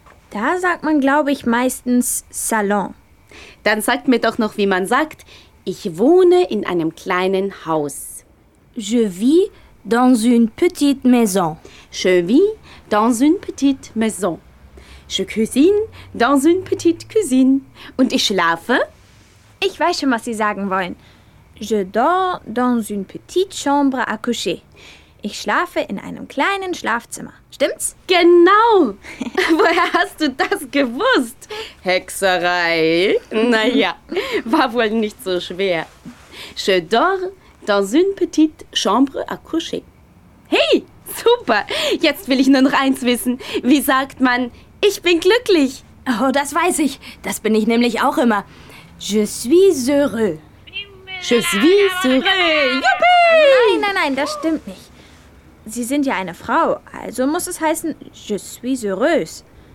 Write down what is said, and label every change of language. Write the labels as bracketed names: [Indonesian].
[German] Da sagt man, glaube ich, meistens Salon. Dann sagt mir doch noch, wie man sagt, ich wohne in einem kleinen Haus. [French] Je vis dans une petite maison. Je vis dans une petite maison. Je cuisine dans une petite cuisine. [German] Und ich schlafe? Ich weiß schon, was Sie sagen wollen. [French] Je dors dans une petite chambre à coucher. [German] Ich schlafe in einem kleinen Schlafzimmer. Stimmt's? Genau! Woher hast du das gewusst? Hexerei! Naja, war wohl nicht so schwer. [French] Je dors dans une petite chambre à coucher. [German] Hey, super! Jetzt will ich nur noch eins wissen. Wie sagt man, ich bin glücklich? Oh, das weiß ich. Das bin ich nämlich auch immer. [French] Je suis heureux. Je suis heureux. [German] Juppie! Nein, nein, nein, das stimmt nicht. Sie sind ja eine Frau, also muss es heißen [French] je suis heureuse.